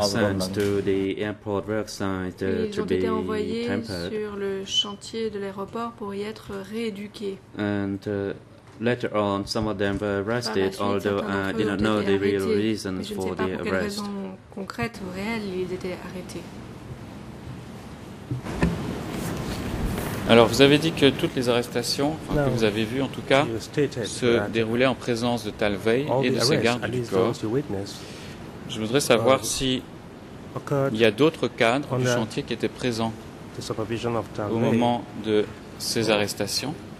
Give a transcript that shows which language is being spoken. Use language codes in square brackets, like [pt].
[en] sent to the airport work site to be tempered. [fr] Sur le chantier de l'aéroport pour y être rééduqués. [en] And later on, some of them were arrested, although I did not know the real reasons for the arrest. [fr] Pour quelles raisons concrètes ou réelles ils étaient arrêtés. Alors, vous avez dit que toutes les arrestations, enfin, que vous avez vues en tout cas, se déroulaient en présence de Tal Vey et de ses gardes du corps. Je voudrais savoir s'il y a d'autres cadres du chantier qui étaient présents au moment de ces arrestations.